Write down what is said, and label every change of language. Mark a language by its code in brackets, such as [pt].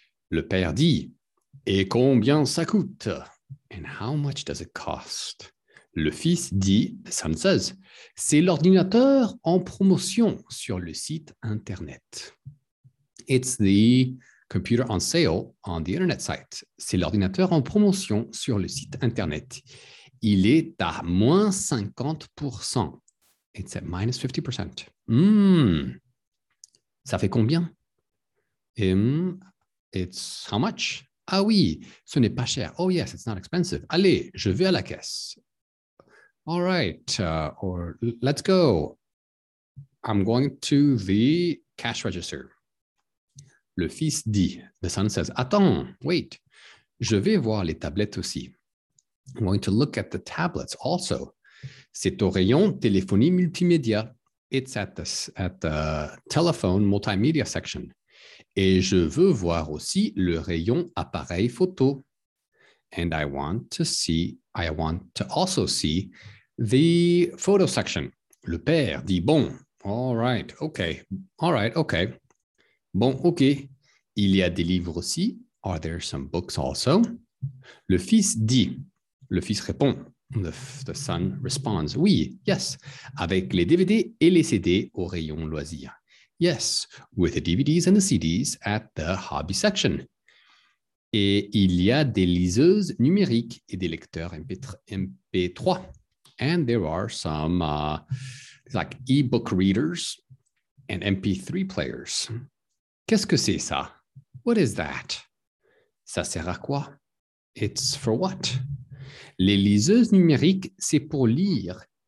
[fr] Le père dit, et combien ça coûte? [en] And how much does it cost? [fr] Le fils dit, [en] the son says, [fr] c'est l'ordinateur en promotion sur le site internet. [en] It's the computer on sale on the internet site. [fr] C'est l'ordinateur en promotion sur le site internet. Il est à moins 50%. [en] It's at minus 50%. [fr] Ça fait combien? [en] It's how much? [fr] Ah oui, ce n'est pas cher. [en] Oh yes, it's not expensive. [fr] Allez, je vais à la caisse. [en] All right, or let's go. I'm going to the cash register. [fr] Le fils dit, [en] the son says, [fr] attends, [en] wait. [fr] Je vais voir les tablettes aussi. [en] I'm going to look at the tablets also. [fr] C'est au rayon téléphonie multimédia. [en] It's at the telephone multimedia section. [fr] Et je veux voir aussi le rayon appareil photo. [en] And I want to also see the photo section. [fr] Le père dit bon. [en] All right, okay. [fr] Bon, okay. Il y a des livres aussi. [en] Are there some books also? [fr] Le fils dit. Le fils répond. [en] The son responds. Oui, yes. [fr] Avec les DVD et les CD au rayon loisirs. [en] Yes, with the DVDs and the CDs at the hobby section. [fr] Et il y a des liseuses numériques et des lecteurs MP3. [en] And there are some like e-book readers and MP3 players. [fr] Qu'est-ce que c'est ça? [en] What is that? [fr] Ça sert à quoi? [en] It's for what? [fr] Les liseuses numériques, c'est pour lire.